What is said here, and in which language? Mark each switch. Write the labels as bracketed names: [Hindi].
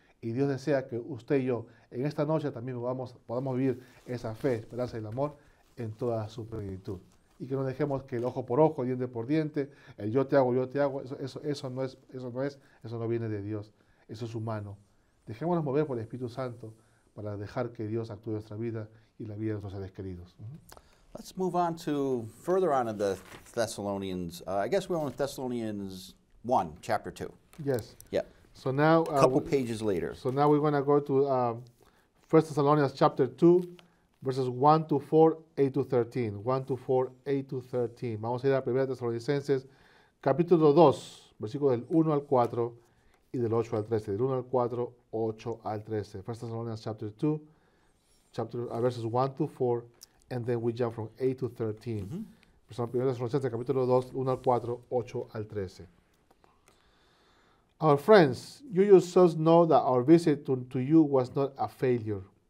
[Spanish] Y Dios desea que usted y yo, en esta noche también podamos vivir esa fe, esperanza y el amor en toda su plenitud. Y que no dejemos que el ojo por ojo, diente por diente, el yo te hago, eso no viene de Dios, eso es humano. Dejémonos mover por el Espíritu Santo para dejar que Dios actúe en nuestra vida y la vida de nuestros seres queridos. [English] Let's move on to further on in the Thessalonians. I guess we're on Thessalonians 1, chapter 2. Yes. Yeah. So now a couple pages later. So now we're going to go to 1 Thessalonians chapter 2. Verses 1 to 4, 8 to 13. 1 to 4, 8 to 13. [Spanish] Vamos a ir a 1 Tesalonicenses, capítulo 2, versículo del 1 al 4 y del 8 al 13. Del 1 al 4, 8 al 13. [English] 1 Thessalonians chapter 2, verses 1 to 4, and then we jump from 8 to 13. Mm-hmm. [Spanish] 1 Tesalonicenses, capítulo 2, 1 al 4, 8 al 13. [English] Our friends, you yourselves know that our visit to you was not a failure.